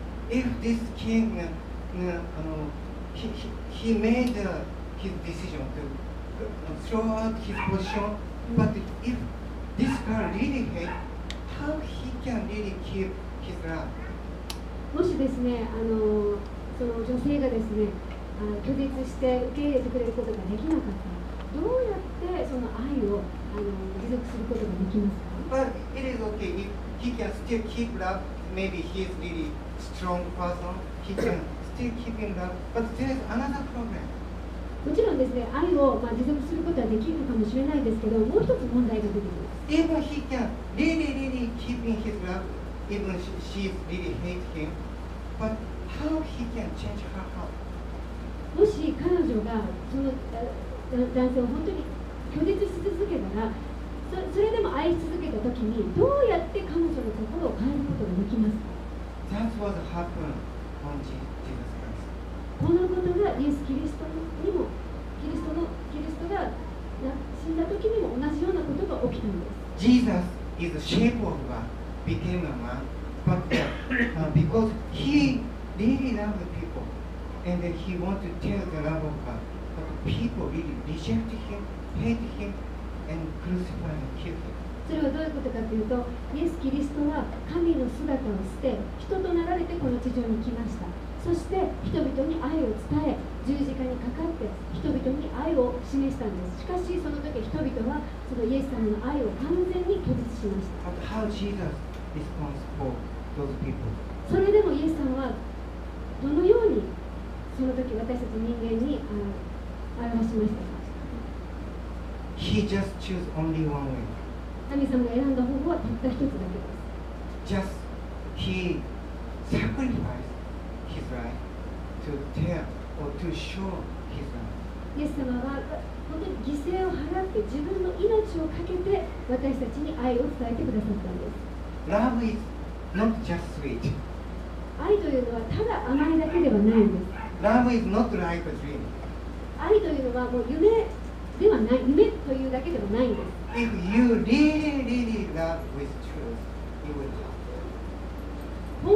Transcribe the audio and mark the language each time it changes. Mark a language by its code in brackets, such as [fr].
[en] If this king he made his decision to throw out his position, but if this girl really hate, how he can really keep his love? [ja] もしですね、その女性がですね、拒絶して受け入れてくれることができなかったら、どうやってその愛を持続することができますか。 [en] But it is okay ifHe can still keep love. Maybe he is really strong person. He can still keep in love. But there is another problem. [ja] もちろんですね、愛を持続することはできるかもしれないですけど、もう一つ問題が出てきます。 [en] Even he can really, really keep in his love, even she is really hate him. But how he can change her heart? [ja] もし彼女がその男性を本当に拒絶し続けたら、それでも愛し続けたときに、どうやって彼女の心を変えることができますか。 [en] That's what happened on Jesus Christ. [ja] このことがイエス・キリストにも、キリストが死んだときにも同じようなことが起きたんです。 [en] Jesus is a shape of God, became a man, but because he really loved people, and he wanted to tell the love of God, but people really rejected him, hated him,And crucify and kill him. [ja] それはどういうことかというと、イエス・キリストは神の姿を捨て、人となられてこの地上に来ました。そして人々に愛を伝え、十字架にかかって人々に愛を示したんです。しかしその時人々はそのイエス様の愛を完全に拒絶しました。 [en] But how Jesus responds for those people? [ja] それでもイエス様はどのようにその時私たち人間に表しましたか。 [en] He just choose only one way. [ja] 神様が選んだ方法はたった一つだけです。 [en] Just he sacrificed his life to tell or to show his love. [ja] イエス様は本当に犠牲を払って自分の命をかけて私たちに愛を伝えてくださったんです。 [en] Love is not just sweet. [ja] 愛というのはただ甘いだけではないんです。 [en] Love is not like a dream. [ja] 愛というのはもう夢。ではない、夢というだけではないんです。 [en] If you really, really love with truth, you will have to.